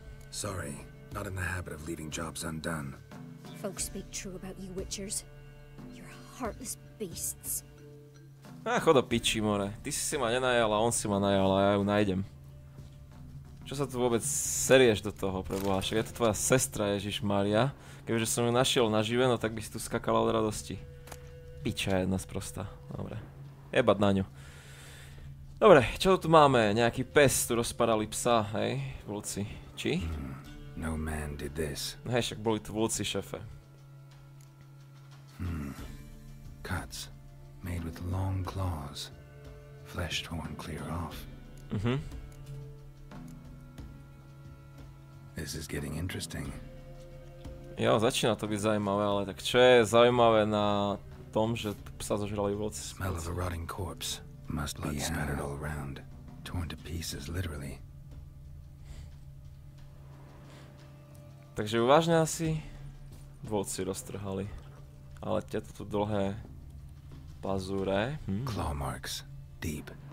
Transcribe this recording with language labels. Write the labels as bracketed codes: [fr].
[en] Sorry, not in the habit of leaving jobs undone. Folks speak true about you witchers. You're heartless beasts. [sk] Ach, chod do piči, more. Ty si ma nenajal a on si ma najal a ja ju nájdem. Čo sa tu vôbec serieš do toho, preboha? Však je to tvoja sestra, Ježišmaria. Kebyže som ju našiel nažive, no tak by si tu skakala od radosti. Piča jedna sprosta. Dobre. Jebať na ňu. Dobre, čo tu máme? Nejaký pes tu rozparali psa, hej? Vlci. Či? [en] No man did this. [sk] Hej, však boli tu vlci, šefe. [en] Cuts. Made with long claws. Flesh torn clear off. This is getting interesting. [sk] Jo, začína to byť zaujímavé, ale tak čo je zaujímavé na tom, že psa zožrali vlci? [en] Smell of a rotting corpse. Must be scattered all around. Torn to pieces, literally. [sk] Takže uvážne asi vlci roztrhali. Ale tieto tu dlhé pazúre. [en] Claw marks. Deep.